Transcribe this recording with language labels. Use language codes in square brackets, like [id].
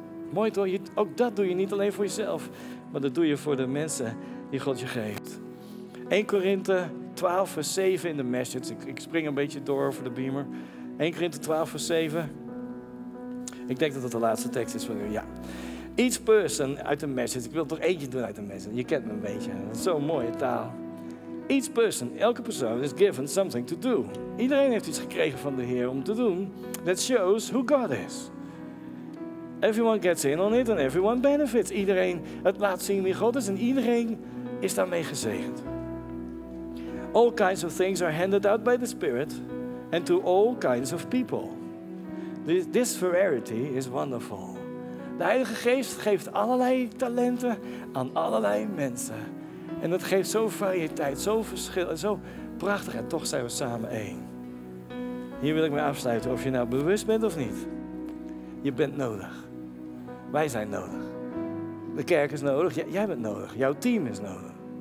[nl] Mooi toch, ook dat doe je niet alleen voor jezelf, maar dat doe je voor de mensen die God je geeft. 1 Korinthe 12 vers 7 in de Message, ik spring een beetje door voor de beamer. 1 Korinthe 12 vers 7. Ik denk dat dat de laatste tekst is van u. Ja. [en] Each person [nl] uit de Message. Ik wil toch eentje doen uit de Message. Je kent me een beetje. Zo'n mooie taal. [en] Each person, [nl] elke persoon [en] is given something to do. [nl] Iedereen heeft iets gekregen van de Heer om te doen. [en] That shows who God is. Everyone gets in on it and everyone benefits. [nl] Iedereen, het laat zien wie God is en iedereen is daarmee gezegend. [en] All kinds of things are handed out by the Spirit. And to all kinds of people. This variety is wonderful. [nl] De Heilige Geest geeft allerlei talenten aan allerlei mensen. En dat geeft zo variëteit, zo verschil en zo prachtig. En toch zijn we samen één. Hier wil ik me afsluiten. Of je nou bewust bent of niet. Je bent nodig. Wij zijn nodig. De kerk is nodig. Jij bent nodig. Jouw team is nodig.